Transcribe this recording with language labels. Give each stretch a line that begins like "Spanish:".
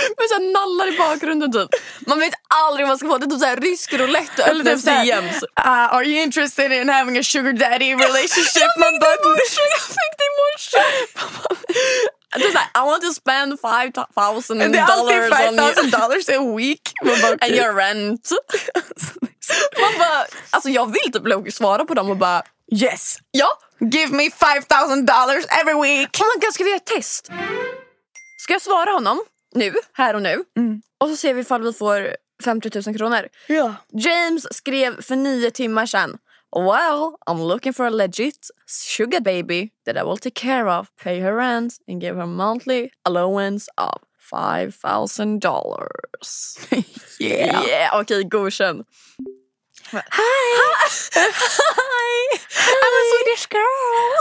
Swedish: Med så här, nallar i bakgrunden typ. Man vet aldrig vad man ska få. Det är typ så här, rysk roulette. Eller typ så här,
English: are you interested in having a sugar daddy relationship?
Swedish: Jag fick det i morse.
English: Like, I want to spend $5,000 on you. $5,000 a week.
Swedish: Bara,
English: and your rent.
Swedish: Man bara, alltså jag vill typ svara på dem och bara,
English: yes.
Swedish: Ja.
English: Give me $5,000 every week. Oh my god,
Swedish: ska vi göra ett test? Ska jag svara honom? Nu, här och nu. Mm. Och så ser vi ifall vi får 50 000 kronor. Ja. James skrev för 9 timmar sedan.
English: Well, I'm looking for a legit sugar baby that I will take care of, pay her rent, and give her monthly allowance of $5,000. Yeah. Yeah, okay,
Swedish: godkänd.
English: Hi. Hi. I'm a Swedish girl.